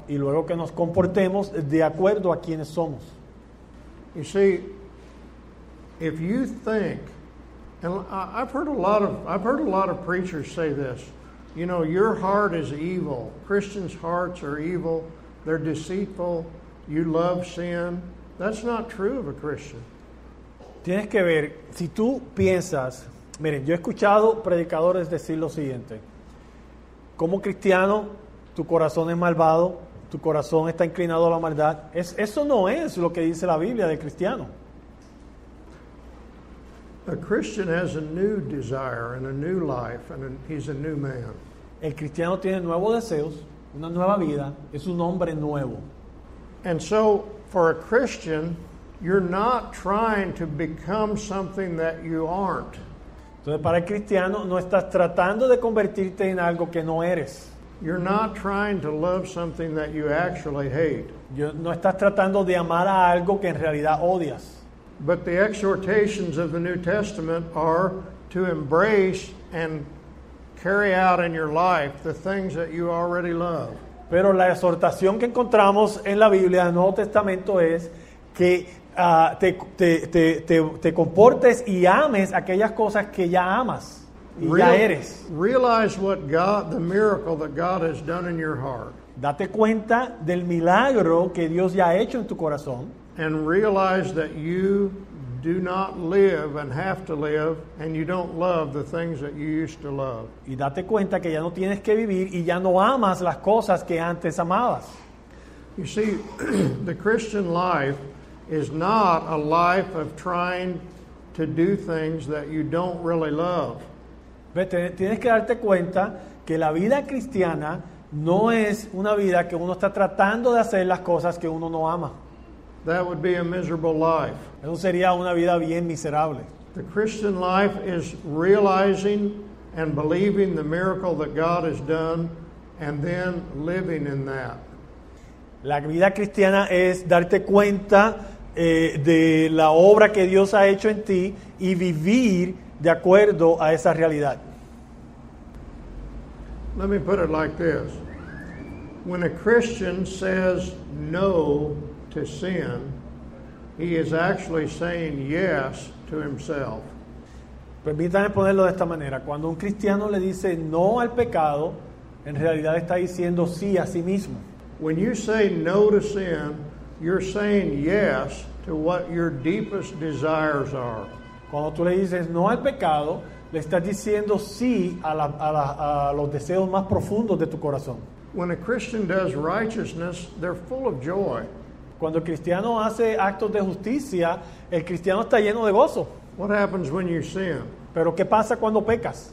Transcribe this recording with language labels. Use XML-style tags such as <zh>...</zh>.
<es>Y luego que nos comportemos de acuerdo a quienes somos.</es> <en>You see, if you think, and I've heard a lot of preachers say this, you know, your heart is evil. Christians' hearts are evil. They're deceitful. You love sin. That's not true of a Christian.</en> <es>Tienes que ver, si tú piensas, miren, yo he escuchado predicadores decir lo siguiente: como cristiano, tu corazón es malvado, tu corazón está inclinado a la maldad. Eso no es lo que dice la Biblia de cristiano.</es> <en>A Christian has a new desire and a new life, and he's a new man.</en> <es>El cristiano tiene nuevos deseos, una nueva vida, es un hombre nuevo.</es> <en>And so, for a Christian, you're not trying to become something that you aren't.</en> <es>Entonces, para el cristiano, no estás tratando de convertirte en algo que no eres.</es> <en>You're not trying to love something that you actually hate.</en> <es>No estás tratando de amar a algo que en realidad odias.</es> <en>But the exhortations of the New Testament are to embrace and carry out in your life the things that you already love.</en> <es>Pero la exhortación que encontramos en la Biblia, en el Nuevo Testamento, es que te comportes y ames aquellas cosas que ya amas y ya eres.</es> <en>Realize what God, the miracle that God has done in your heart.</en> <es>Date cuenta del milagro que Dios ya ha hecho en tu corazón.</es> <en>And realize that you do not live and have to live, and you don't love the things that you used to love.</en> <es>Y date cuenta que ya no tienes que vivir y ya no amas las cosas que antes amabas.</es> <en>You see, the Christian life is not a life of trying to do things that you don't really love.</en> <es>Vete, tienes que darte cuenta que la vida cristiana no es una vida que uno está tratando de hacer las cosas que uno no ama.</es> <en>That would be a miserable life.</en> <es>Eso sería una vida bien miserable.</es> <en>The Christian life is realizing and believing the miracle that God has done and then living in that.</en> <es>La vida cristiana es darte cuenta de la obra que Dios ha hecho en ti y vivir de acuerdo a esa realidad.</es> <en>Let me put it like this. When a Christian says no to sin, he is actually saying yes to himself.</en> <es>Permítame ponerlo de esta manera. Cuando un cristiano le dice no al pecado, en realidad está diciendo sí a sí mismo.</es> <en>When you say no to sin, you're saying yes to what your deepest desires are.</en> <es>Cuando tú le dices no al pecado, le estás diciendo sí a los deseos más profundos de tu corazón.</es> <en>When a Christian does righteousness, they're full of joy.</en> <es>Cuando el cristiano hace actos de justicia, el cristiano está lleno de gozo.</es> <en>What happens when you sin?</en> <es>Pero ¿qué pasa cuando pecas?</es>